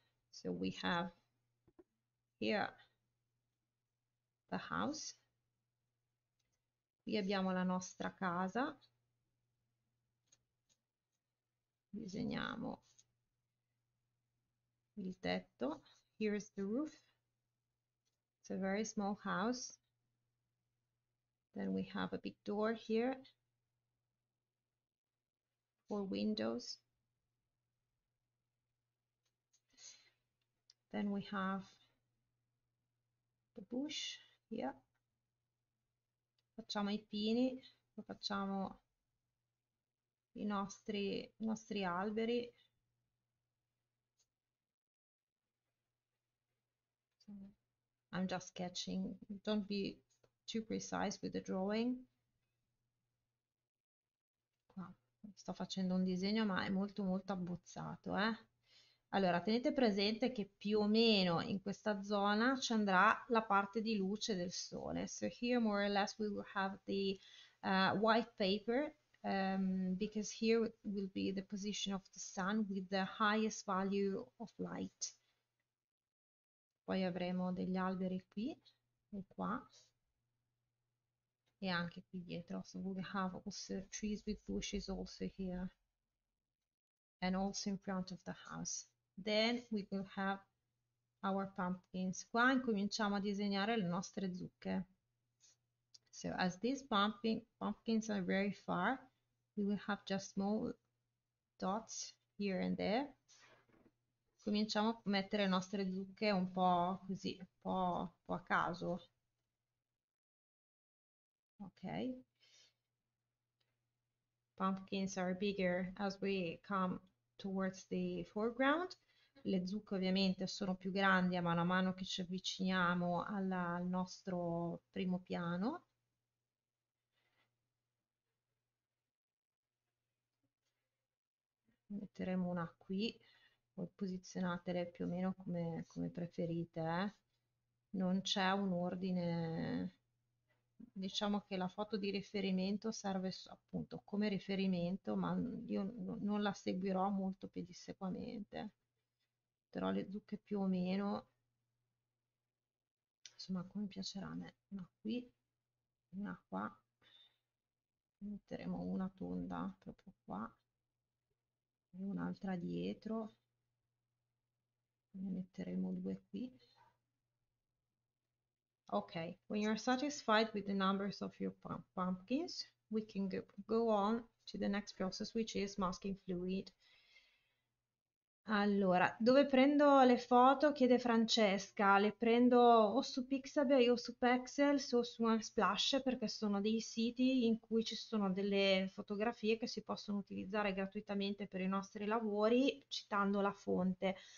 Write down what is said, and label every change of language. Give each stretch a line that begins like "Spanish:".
English: So we have here the house.
Italian: Qui abbiamo la nostra casa. Disegniamo il tetto.
English: Here's the roof. It's a very small house. Then we have a big door here. Four windows. Then we have the bush here.
Italian: Facciamo i pini, facciamo i nostri alberi.
English: I'm just sketching. Don't be too precise with the drawing.
Italian: Qua sto facendo un disegno, ma è molto molto abbozzato, eh? Allora, tenete presente che più o meno in questa zona ci andrà la parte di luce del sole.
English: So here more or less we will have the white paper because here will be the position of the sun with the highest value of light.
Italian: Poi avremo degli alberi qui e qua e anche qui dietro.
English: So we have also trees with bushes also here and also in front of the house. Then we will have our pumpkins.
Italian: Qua incominciamo a disegnare le nostre zucche.
English: So as these pumpkins are very far, we will have just small dots here and there.
Italian: Cominciamo a mettere le nostre zucche un po' così, un po' a caso. Ok.
English: Pumpkins are bigger as we come towards the foreground.
Italian: Le zucche ovviamente sono più grandi a mano che ci avviciniamo al nostro primo piano. Metteremo una qui, voi posizionatele più o meno come preferite. Non c'è un ordine, diciamo che la foto di riferimento serve appunto come riferimento, ma io non la seguirò molto pedissequamente. Però le zucche più o meno, insomma, come piacerà a me, una qui, una qua, metteremo una tonda proprio qua e un'altra dietro, ne metteremo due qui.
English: Ok, when you're satisfied with the numbers of your pumpkins, we can go on to the next process, which is masking fluid.
Italian: Allora, dove prendo le foto? Chiede Francesca. Le prendo o su Pixabay o su Pexels o su Unsplash perché sono dei siti in cui ci sono delle fotografie che si possono utilizzare gratuitamente per i nostri lavori citando la fonte.